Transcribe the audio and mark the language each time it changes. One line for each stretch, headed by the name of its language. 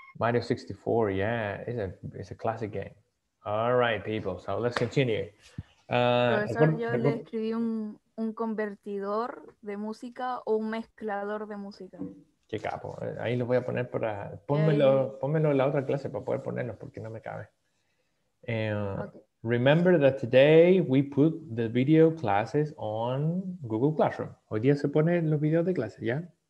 English: Mario 64, yeah, it's a classic game. All right, people, so let's continue.
Spanish: Yo le escribí un convertidor de música o un mezclador de música. Qué capo, ahí lo voy a poner para... Pónmelo en la otra clase para poder ponerlo porque no me cabe. Okay.
English: Remember that today we put the video classes on Google Classroom.
Spanish: Hoy día se ponen los videos de clase, ¿ya?